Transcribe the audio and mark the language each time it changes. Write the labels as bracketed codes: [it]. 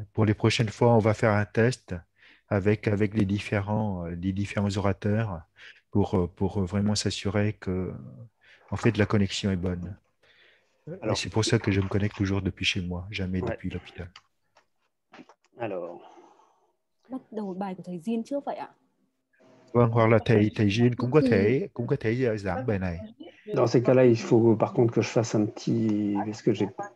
[fr] Pour les prochaines fois, on va faire un test avec les différents orateurs pour vraiment s'assurer que en fait la connexion est bonne. Et c'est pour ça que je me connecte toujours depuis chez moi, jamais depuis l'hôpital. Alors. [vi] Bắt đầu bài của thầy Jin trước vậy ạ. Vâng, hoặc là thầy thầy Là Jin cực kỳ. cũng có thể giảng bài này. [fr] Dans ces cas-là, il faut par contre que je fasse un petit. Est-ce que j'ai.